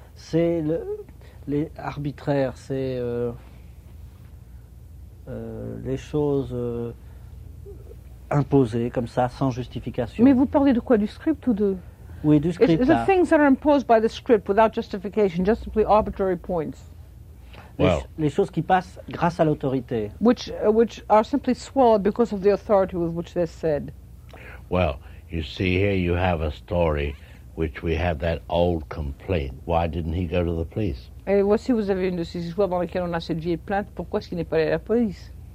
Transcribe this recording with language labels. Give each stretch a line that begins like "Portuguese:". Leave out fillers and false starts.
French: C'est les arbitraires, c'est les choses imposées comme ça, sans justification. Mais vous parlez de quoi, du script ou de? Oui, du script.
English: The things that are imposed by the script without justification, just simply arbitrary points.
French: Well, les choses qui passent grâce à l'autorité.
English: Which are simply swallowed because of the authority with which they're said. Well, you see, here you have a story which we have that old complaint. Why didn't he go to the police?
French: Et voici, vous avez une de ces histoires dans lesquelles on a cette vieille plainte. Pourquoi est-ce qu'il n'est pas allé à la police?